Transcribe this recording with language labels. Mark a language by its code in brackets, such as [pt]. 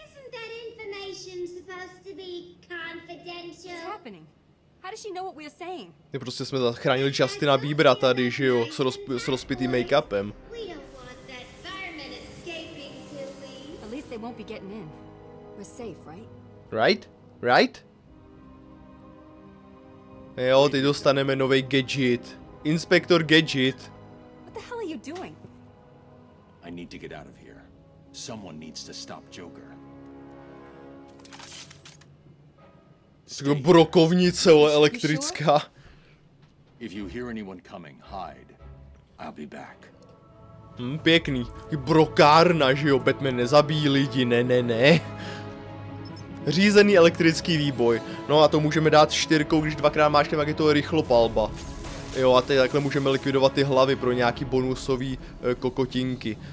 [en] That information supposed to be confidential. What's happening? How does she know what we are saying? [cs] My prostě jsme zachránili Justina Biebera tady, že jo, s rozpitým make-upem. [en] We don't want that fireman escaping, Tilly. At least they won't be getting in. We're safe, right? Right? Right? [cs] Jo, teď dostaneme nový gadget. Inspektor Gadget. [en] What the hell are you doing? I need to get out of here. Someone needs to stop Joker. [cs] Jako brokovnice elektrická. [en] If you hear anyone coming, hide. I'll be back. [cs] Pěkný. Brokárna, že jo, Batman nezabíjí lidi, ne. Řízený elektrický výboj. No a to můžeme dát 4, když dvakrát máš, tak je to rychlopalba. Jo, a teď takhle můžeme likvidovat ty hlavy pro nějaký bonusový kokotinky.